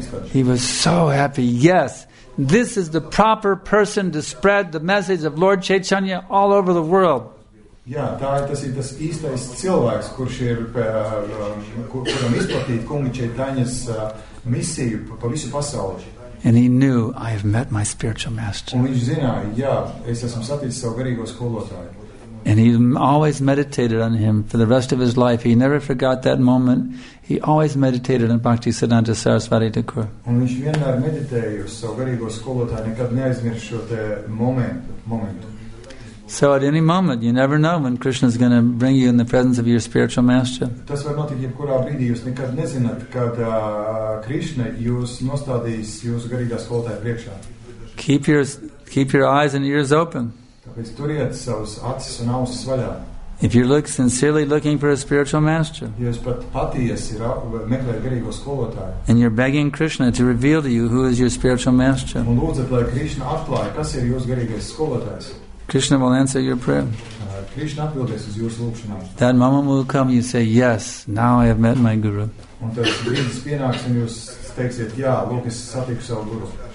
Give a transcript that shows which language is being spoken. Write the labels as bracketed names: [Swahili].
[English] He was so happy. Yes, this is the proper person to spread the message of Lord Chaitanya all over the world. [Latvian] Jā, tas ir tas īstais cilvēks, kurš ir kuram izplatīt kunga Čaitanjas misiju pa visu pasauli. [English] And he knew, I have met my spiritual master. [Latvian] Un viņš zināja, jā, es esmu saticis savu garīgo skolotāju. [English] And he always meditated on him for the rest of his life. He never forgot that moment. He always meditated on Bhakti Siddhanta Sarasvati Thakur. [Latvian] Un viņš vienmēr meditēja uz savu garīgo skolotāju, nekad neaizmirst šo te momentu. [English] So at any moment, you never know when Krishna is going to bring you in the presence of your spiritual master. [Latvian] Tas var notikt jebkurā brīdī, jūs nekad nezināt, kad Krishna jūs nostādīs jūsu garīgā skolotāja priekšā. [English] Keep your eyes and ears open. [Latvian] Tāpēc turiet savus acis un ausis vaļā. [English] If you look sincerely looking for a spiritual master, [Latvian] jūs pat patiesi meklējat garīgo skolotāju. [English] And you're begging Krishna to reveal to you who is your spiritual master. [Latvian] Un lūdzat, lai Krishna atklāja, kas ir jūsu garīgais skolotājs. [English] Krishna will answer your prayer. [Latvian] Krishna atbildēs uz jūsu lūkšanā. [English] That moment will come, you say, yes, now I have met my guru. [Latvian] Un tas brīdis pienāks, un jūs teiksiet, jā, lūk, es satiku savu guru.